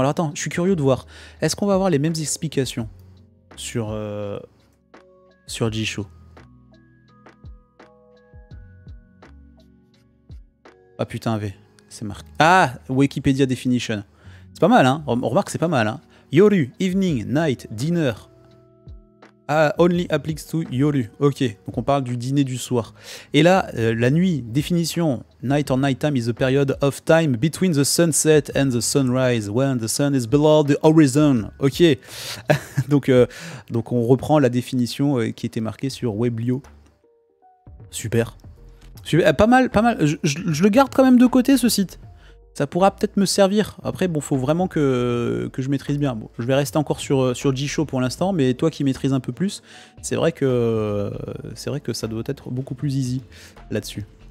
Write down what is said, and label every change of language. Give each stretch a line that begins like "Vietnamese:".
French: Alors attends, je suis curieux de voir. Est-ce qu'on va avoir les mêmes explications sur Jisho? Ah putain, V, c'est marqué. Ah, Wikipédia definition. C'est pas mal, hein. Remarque, c'est pas mal, hein.
English: Yoru, evening, night, dinner. Ah, only applies to yoru.
French: Ok, donc on parle du dîner du soir. Et là, la nuit, définition.
English: Night or night time is a period of time between the sunset and the sunrise when the sun is below the horizon.
French: Ok, donc on reprend la définition qui était marquée sur Weblio. Super. Pas mal. Je le garde quand même de côté, ce site. Ça pourra peut-être me servir. Après, bon, faut vraiment que je maîtrise bien. Bon, je vais rester encore sur Jisho pour l'instant, mais toi qui maîtrises un peu plus, c'est vrai que ça doit être beaucoup plus easy là-dessus.